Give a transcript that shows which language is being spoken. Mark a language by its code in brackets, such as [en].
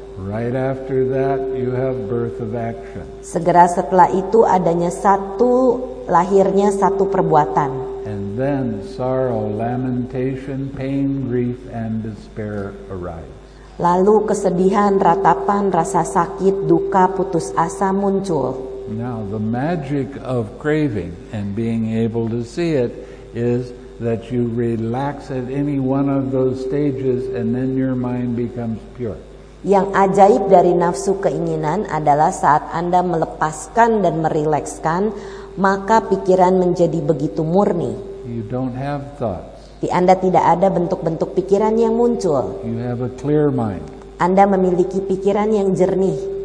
[en] Right after that, you have birth of action. [id] Segera setelah itu adanya satu lahirnya satu perbuatan. [en] And then sorrow, lamentation, pain, grief, and despair arise. [id] Lalu kesedihan, ratapan, rasa sakit, duka, putus asa muncul. [en] Now the magic of craving and being able to see it is that you relax at any one of those stages and then your mind becomes pure. [id] Yang ajaib dari nafsu keinginan adalah saat Anda melepaskan dan merilekskan, maka pikiran menjadi begitu murni. [en] You don't have thoughts. [id] Di Anda tidak ada bentuk-bentuk pikiran yang muncul. [en] You have a clear mind. [id] Anda memiliki pikiran yang jernih.